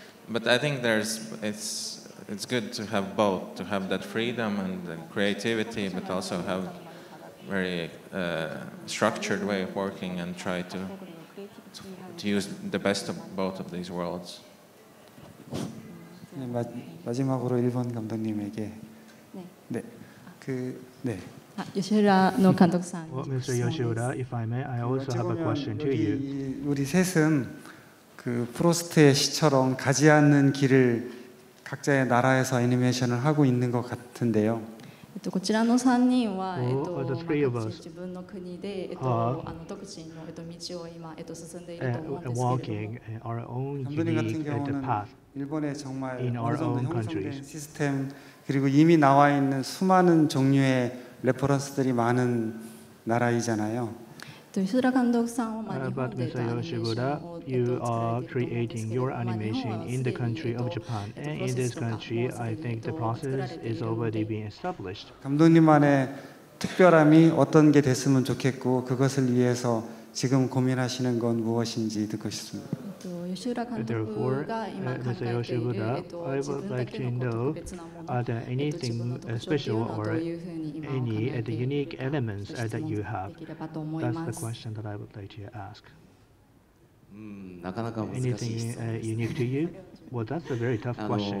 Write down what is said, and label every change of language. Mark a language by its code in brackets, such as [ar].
[en] But I think there's, it's good to have both, to have that freedom and the creativity, but also have very structured way of working and try to use the best of both of these worlds. [ko] 네, 마지막으로 1번 감독님에게. 네. 그, 네. [en] Well, Mr. Yoshiura, if I may, I also have a question to you. [ko] 우리 셋은 그 프로스트의 시처럼 가지 않는 길을 각자의 나라에서 애니메이션을 하고 있는 것 같은데요. [en] The three of us are walking our own unique path in our own countries. [ko] 시스템 그리고 이미 나와 있는 수많은 종류의 레퍼런스들이 많은 나라이잖아요. [en] But Mr. Yoshiura, you are creating your animation in the country of Japan. And in this country, I think the process is already being established. [ko] 감독님만의 특별함이 어떤 게 됐으면 좋겠고 그것을 위해서 지금 고민하시는 건 무엇인지 듣고 싶습니다. [en] Therefore, Mr. Yoshiura, I would like to know, are there anything special or any unique elements that you have? That's the question that I would like to ask. Anything unique to you? Well, that's a very tough question.